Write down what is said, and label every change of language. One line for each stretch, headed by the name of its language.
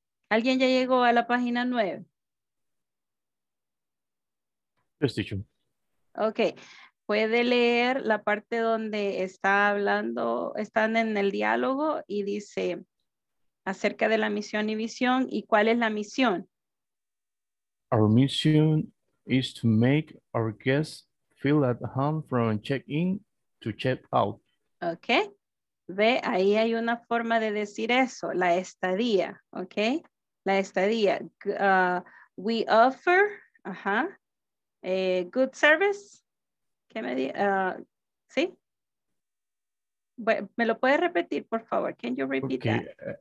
Spanish: ¿Alguien ya llegó a la página 9?
English: Yes, teacher. Ok.
Spanish: Puede leer la parte donde está hablando, están en el diálogo y dice acerca de la misión y visión. ¿Y cuál es la misión?
English: Our mission is to make our guests feel at home from check-in to check-out. Ok.
Spanish: Ve, ahí hay una forma de decir eso, la estadía. Ok. La estadía.
English: We offer good service.
Spanish: ¿Qué me di? ¿Sí? ¿Me lo puedes repetir, por favor?
English: Can you repeat okay. that?